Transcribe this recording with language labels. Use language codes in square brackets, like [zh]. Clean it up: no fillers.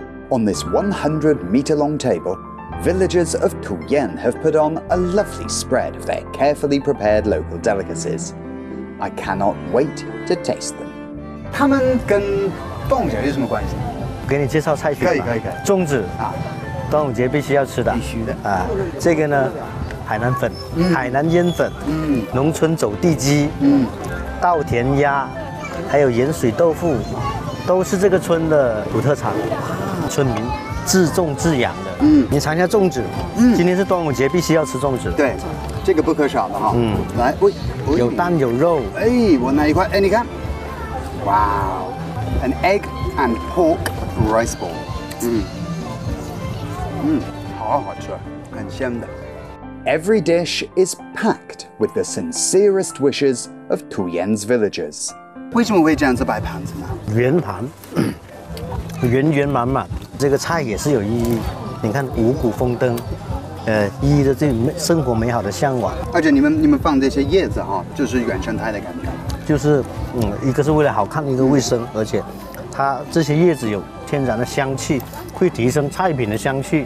[en] On this 100 meter long table, villagers of Tuyen have put on a lovely spread of their carefully prepared local delicacies. I cannot wait to taste them. [zh] 他们跟端午节有什么关系？给你介绍菜系吧。可以可以可以。粽子啊，端午节必须要吃的。必须的啊，这个呢，海南粉，海南腌粉，农村走地鸡，稻田鸭。还有盐水豆腐，都是这个村的土特产，村民自种自养的。你尝一下粽子，今天是端午节，必须要吃粽子。对，这个不可少的哈。来，喂，有蛋有肉。哎，我拿一块，哎，你看，哇 ， [en] an egg and pork rice ball。 [zh] 好好吃，很香的。 [en] Every dish is packed with the sincerest wishes of Tuyen's villagers. [zh] 为什么会这样子摆盘子呢？圆盘，圆圆满满，这个菜也是有意义。你看五谷丰登，寓意着这生活美好的向往。而且你们放这些叶子哈，就是原生态的感觉。就是，一个是为了好看，一个卫生，而且它这些叶子有天然的香气，会提升菜品的香气。